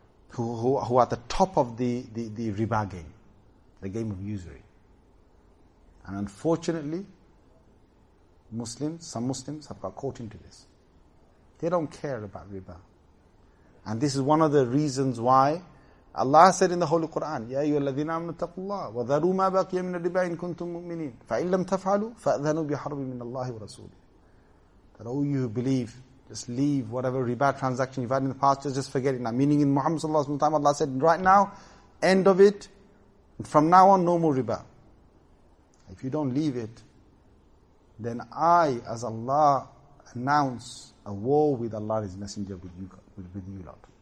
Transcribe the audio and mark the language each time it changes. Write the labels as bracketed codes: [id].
[en] who are at the top of the riba game, the game of usury. And unfortunately, some Muslims have got caught into this. They don't care about riba. And this is one of the reasons why Allah said in the Holy Quran, [ar] يَا أَيُّهَا الَّذِينَ آمَنُوا اتَّقُوا اللَّهَ وَذَرُوا مَا بَقِيَ مِنَ الرِّبَا إِن كُنْتُم مُؤْمِنِينَ فَإِن لَمْ تَفْعَلُوا فَأَذَنُوا بِحَرْبٍ مِنَ اللَّهِ وَرَسُولِهِ. [en] That, oh, you who believe, just leave whatever riba transaction you've had in the past, just forget it now. Meaning in Muhammad sallallahu alayhi wa sallam, Allah said, right now, end of it. And from now on, no more riba. If you don't leave it, then I, as Allah, announce a war with Allah and His Messenger with you lot.